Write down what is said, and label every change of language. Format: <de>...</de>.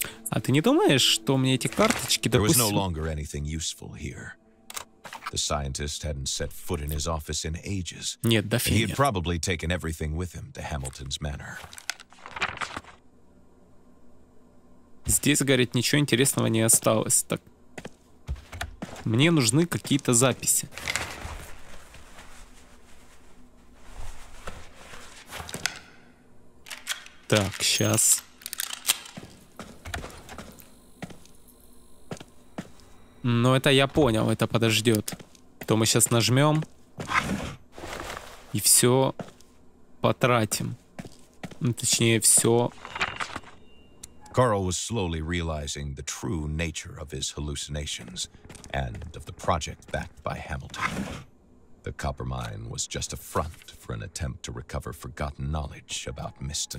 <ru>А ты не думаешь, что мне эти карточки, допустим...</ru> <en>There was no longer anything useful here. The scientist hadn't set foot in his office in ages.</en> <ru>Нет, да фигня.</ru> <en>He had probably taken everything with him to Hamilton's Manor.</en> <ru>Здесь, говорит, ничего интересного не осталось. Так. Мне нужны какие-то записи. Так, сейчас. Ну, это я понял, это подождет. То мы сейчас нажмем и все потратим. Ну, точнее, все.</ru> <en>Карл was slowly realizing the true nature of his hallucinations and of the project backed by Hamilton. The copper mine was just a front for an attempt to recover forgotten knowledge about Mistonite.</en>